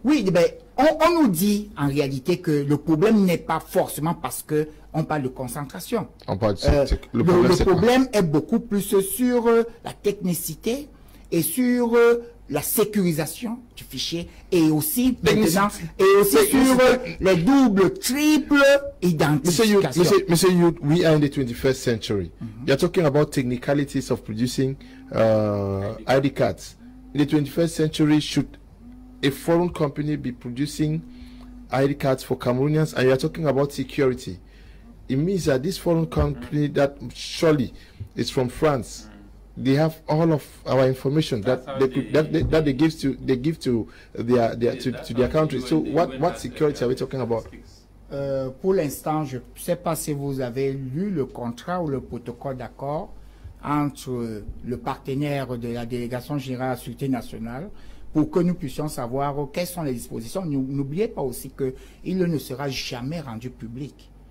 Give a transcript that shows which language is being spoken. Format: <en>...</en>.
<fr>Oui, ben, on nous dit en réalité que le problème n'est pas forcément parce que on parle de concentration. On parle de le problème est beaucoup plus sur la technicité et sur la sécurisation du fichier et aussi maintenant, et aussi sur les doubles, triples identifications.</fr> <en>Monsieur Youth, we are in the 21st century. Mm-hmm. You are talking about technicalities of producing ID cards. In the 21st century, should a foreign company be producing ID cards for Cameroonians? And you are talking about security. It means that this foreign company that surely is from France, they have all of our information that they give to their country. So what security are we talking about?</en> <fr>Pour l'instant, je ne sais pas si vous avez lu le contrat ou le protocole d'accord entre le partenaire de la délégation générale à la sûreté nationale pour que nous puissions savoir quelles sont les dispositions. N'oubliez pas aussi que il ne sera jamais rendu public.</fr>